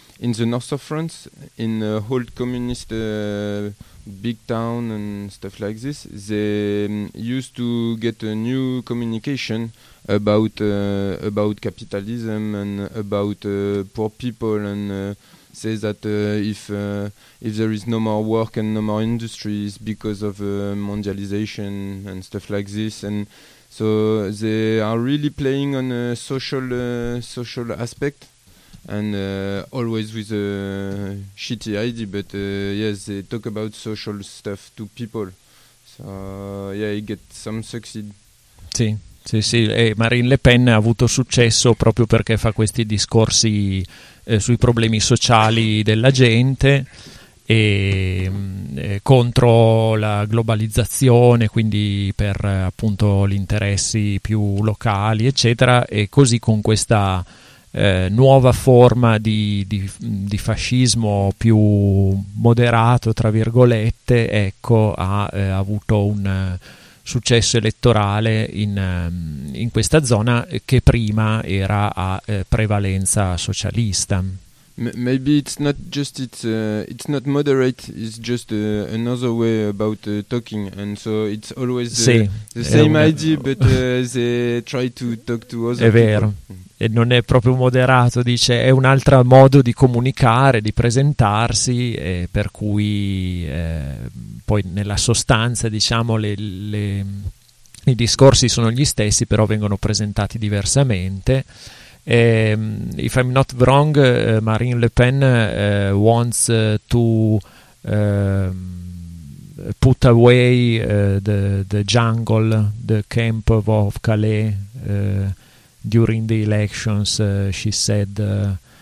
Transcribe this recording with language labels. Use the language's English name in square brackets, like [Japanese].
[English] in the north of France, in a old communist big town and stuff like this, they used to get a new communication about capitalism and about poor people, and say that if there is no more work and no more industries because of mondialization and stuff like this. And so they are really playing on a social aspect, and always with a shitty idea, but yes, they talk about social stuff to people. So yeah, you get some succeed. [Italian] Sì, sì, sì. E Marine Le Pen ha avuto successo proprio perché fa questi discorsi sui problemi sociali della gente e contro la globalizzazione, quindi per appunto gli interessi più locali, eccetera, e così con questa nuova forma di fascismo più moderato, tra virgolette, ecco, ha avuto un successo elettorale in questa zona che prima era a prevalenza socialista. [English] Maybe it's not just it's not moderate, it's just another way about talking, and so it's always the same idea, but they try to talk to other people. [Italian] È vero. E non è proprio moderato, dice, è un altro modo di comunicare, di presentarsi, per cui poi nella sostanza, diciamo, i discorsi sono gli stessi, però vengono presentati diversamente. [English] If I'm not wrong, Marine Le Pen wants to put away the jungle, the camp of Calais, during the elections, she said.